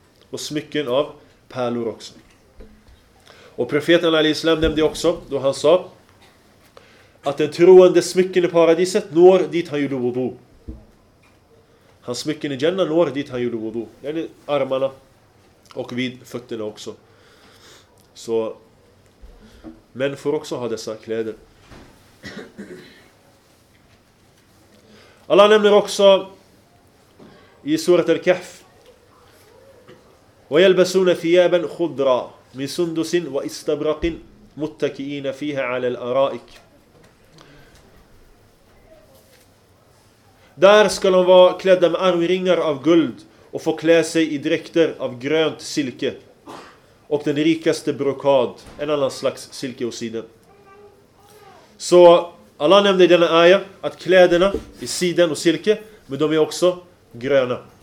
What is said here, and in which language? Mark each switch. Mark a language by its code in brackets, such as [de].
[sv] Och smycken av pärlor också. Och profeten alaihissalam nämnde också, då han sa att den troende smycken i paradiset når dit han gjorde wudu. Hans smycken i Jannah når dit han gjorde wudu. Den i armarna och vid fötterna också. Så män får också ha dessa kläder. Allah nämner också i surat al-Kahf: [ar] وَيَلْبَسُونَ ثِيَابًا خُضْرًا مِنْ سُنْدُسٍ وَإِسْتَبْرَقٍ مُتَّكِئِينَ فِيهَا عَلَى الْأَرَائِكِ. [sv] Där ska de vara klädda med armringar av guld och få klä sig i dräkter av grönt silke och den rikaste brokad, en annan slags silke och siden. Så Allah nämnde i denna ayah att kläderna i siden och silke, men de är också gröna.